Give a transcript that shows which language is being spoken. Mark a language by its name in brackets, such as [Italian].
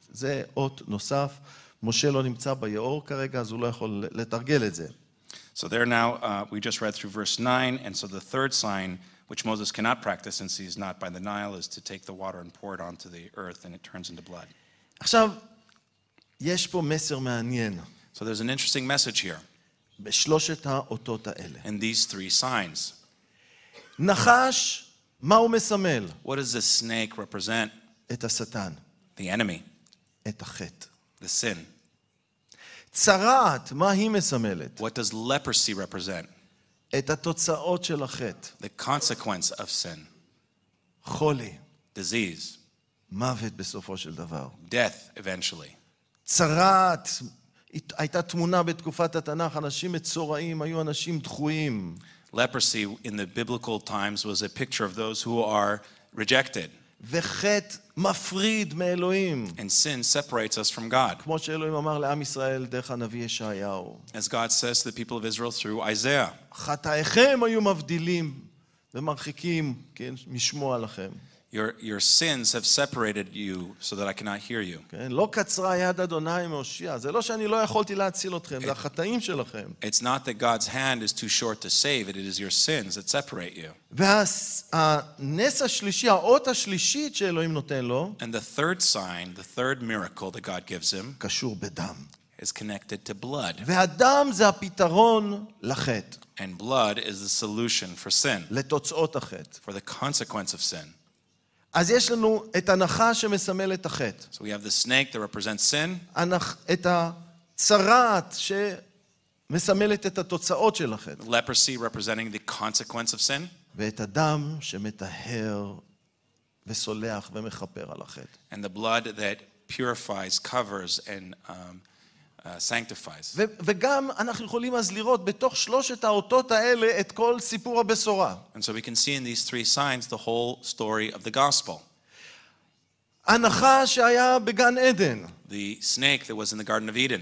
[Hebrew] זה אות נוסף. משה לא נמצא ביאור כרגע, אז הוא לא יכול לתרגל את זה. [English] So there now, we just read through verse 9, and so the third sign, which Moses cannot practice since he's not by the Nile, is to take the water and pour it onto the earth, and it turns into blood. [Hebrew] עכשיו, יש פה מסר מעניין. [English] So there's an interesting message here. [Hebrew] בשלושת האותות האלה. [English] In these three signs. [Hebrew] נחש, מה הוא מסמל? [English] What does the snake represent? [Hebrew] את השטן. [English] The enemy. [Hebrew] את החטא. [English] The sin. [Hebrew] צרעת, מה היא מסמלת? [English] What does leprosy represent? [Hebrew] את התוצאות של החטא. [English] The consequence of sin. [Hebrew] חולי. [English] Disease. [Hebrew] מוות בסופו של דבר. [English] Death eventually. [Hebrew] צרעת, הייתה תמונה בתקופת התנך, אנשים מצורעים, היו אנשים דחויים. [English] Leprosy in the biblical times was a picture of those who are rejected. [Hebrew] וחט מפריד מאלוהים. [English] And sin separates us from God. [Hebrew] כמו שאלוהים אמר לעם ישראל דרך הנביא ישעיהו. [English] As God says to the people of Israel through Isaiah. [Hebrew] חטאיכם היו מבדילים ומרחיקים, כן, משמוע לכם. [English] Your sins have separated you so that I cannot hear you. [Hebrew] כן, לא קצרה יד אדוני מהושיע. זה לא שאני לא יכולתי להציל אתכם, זה החטאים שלכם. [English] It's not that God's hand is too short to save it, it is your sins that separate you. [Hebrew] והנס השלישי, האות השלישית שאלוהים נותן לו, [English] and the third sign, the third miracle that God gives him, [Hebrew] קשור בדם. [English] Is connected to blood. [Hebrew] והדם זה הפתרון לחטא. [English] And blood is the solution for sin. [Hebrew] לתוצאות החטא. [English] For the consequence of sin. [Hebrew] אז יש לנו את הנחש שמסמל את החטא. [English] So we have the snake that represents sin. [Hebrew] את הצרעת שמסמלת את התוצאות של החטא. [English] Leprosy representing the consequence of sin. [Hebrew] ואת הדם שמטהר וסולח ומכפר על החטא. [English] And the blood that purifies, covers and sanctifies. [Hebrew] וגם אנחנו יכולים אז לראות בתוך שלושת האותות האלה את כל סיפור הבשורה. [English] And so we can see in these three signs the whole story of the gospel. [Hebrew] הנחש שהיה בגן עדן. [English] The snake that was in the Garden of Eden.